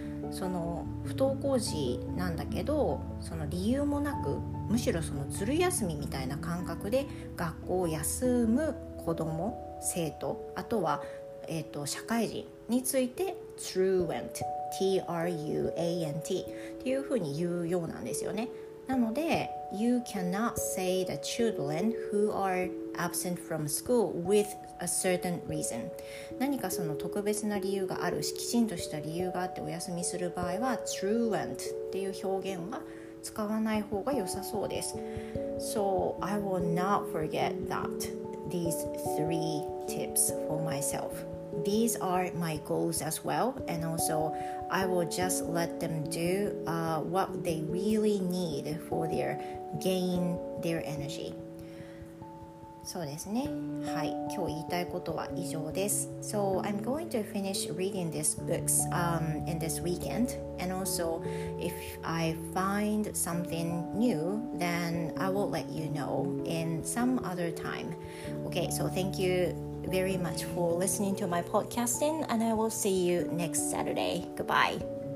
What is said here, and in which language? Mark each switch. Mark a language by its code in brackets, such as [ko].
[ja] その不登校児なんだけど、その理由もなく、むしろそのずる休みみたいな感覚で学校を休む子ども、生徒、あとは、社会人について truant、T-R-U-A-N-T っていうふうに言うようなんですよね。なので [en] You cannot say the children who are absent from school withA certain reason. [ja] 何かその特別な理由がある、きちんとした理由があってお休みする場合は truant っていう表現は使わない方が良さそうです。 [en] So I will not forget that these three tips for myself. These are my goals as well, and also I will just let them do what they really need for their gain their energy. [ja] そうですね。はい、今日言いたいことは以上です。 [en] So I'm going to finish reading this books in this weekend. And also, if I find something new, then I will let you know in some other time. Okay, so thank you very much for listening to my podcasting, and I will see you next Saturday. Goodbye.